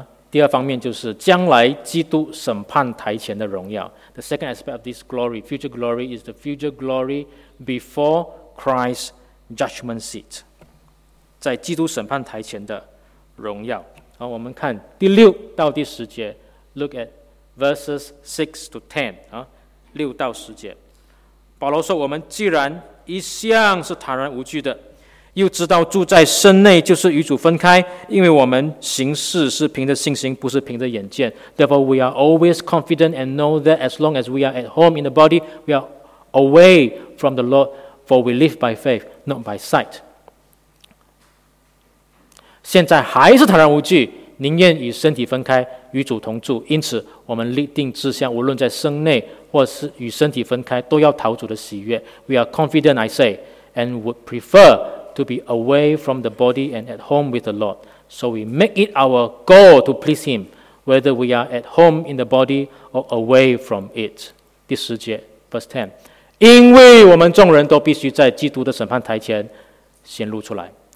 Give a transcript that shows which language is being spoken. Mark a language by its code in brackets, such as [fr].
[zh] 第二方面就是将来基督审判台前的荣耀。 [en] The second aspect of this glory, future glory, is the future glory before Christ's judgment seat. [zh] 在基督审判台前的荣耀。好，我们看第六到第十节。 [en] Look at verses 6 to 10. [zh] 六到十节。保罗说，我们既然一向是坦然无惧的，又知道住在身内就是与主分开，因为我们行事是凭着信心，不是凭着眼见。 [en] Therefore, we are always confident and know that as long as we are at home in the body, we are away from the Lord, for we live by faith, not by sight. [zh] 现在还是坦然无惧，宁愿与身体分开，与主同住。因此，我们立定志向，无论在身内或是与身体分开，都要讨主的喜悦。 [en] We are confident, I say, and would prefer to be away from the body and at home with the Lord. So we make it our goal to please Him, whether we are at home in the body or away from it. [zh] 第十节 ， [en] verse ten， [zh] 因为我们众人都必须在基督的审判台前显露出来。